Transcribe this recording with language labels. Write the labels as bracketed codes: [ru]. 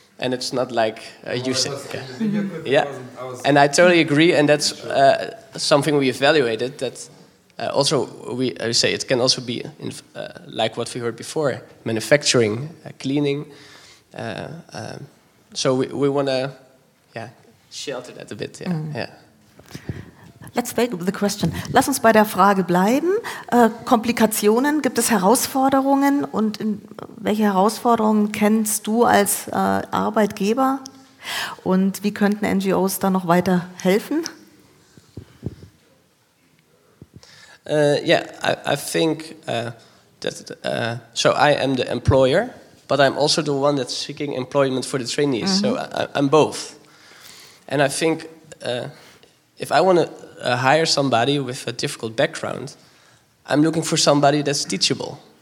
[en] And it's not like you said. Yeah. And I totally agree, and that's something we evaluated, that also we say it can also be in, like what we heard before, manufacturing, cleaning. So we want to, shelter that a bit, Let's stay with the question. [de] Lass uns bei der Frage bleiben. Komplikationen, gibt es Herausforderungen? Und welche Herausforderungen kennst du als Arbeitgeber? Und wie könnten NGOs da noch weiter helfen? [en] I think I am the employer, but I'm also the one that's seeking employment for the trainees. Mm-hmm. So I'm both. And I think if I want to hire somebody with a difficult background, I'm looking for somebody that's teachable.